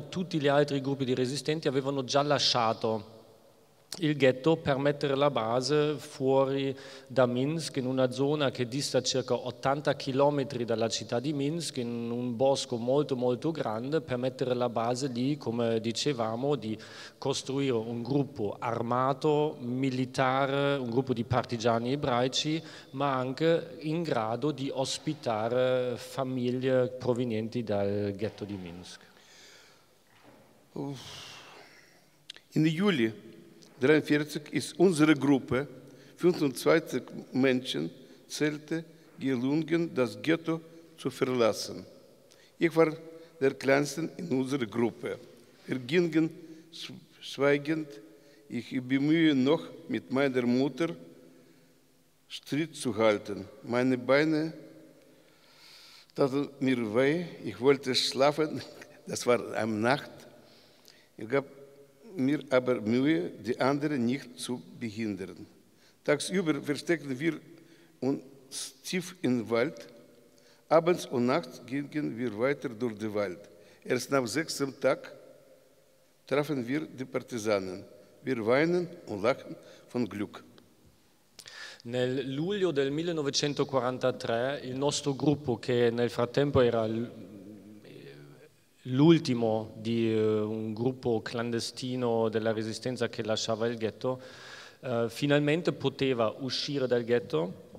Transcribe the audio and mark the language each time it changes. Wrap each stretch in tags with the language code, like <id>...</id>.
<it>Tutti gli altri gruppi di resistenti avevano già lasciato il ghetto per mettere la base fuori da Minsk, in una zona che dista circa 80 chilometri dalla città di Minsk, in un bosco molto molto grande, per mettere la base lì, come dicevamo, di costruire un gruppo armato, militare, un gruppo di partigiani ebraici, ma anche in grado di ospitare famiglie provenienti dal ghetto di Minsk.</it> <de>In Juli 43 ist unsere Gruppe, 25 Menschen zählte, gelungen, das Ghetto zu verlassen. Ich war der Kleinste in unserer Gruppe. Wir gingen schweigend, ich bemühe noch mit meiner Mutter, Schritt zu halten. Meine Beine Tat mir weh, ich wollte schlafen, das war am Nacht. Ich gab mir aber Mühe, die anderen nicht zu behindern. Tagsüber versteckten wir uns tief im Wald. Abends und nachts gingen wir weiter durch den Wald. Erst nach 6. Tag trafen wir die Partisanen. Wir weinen und lachen von Glück.</de> <it>Nel luglio del 1943 il nostro gruppo, che nel frattempo era l'ultimo di un gruppo clandestino della resistenza che lasciava il ghetto, finalmente poteva uscire dal ghetto.</it>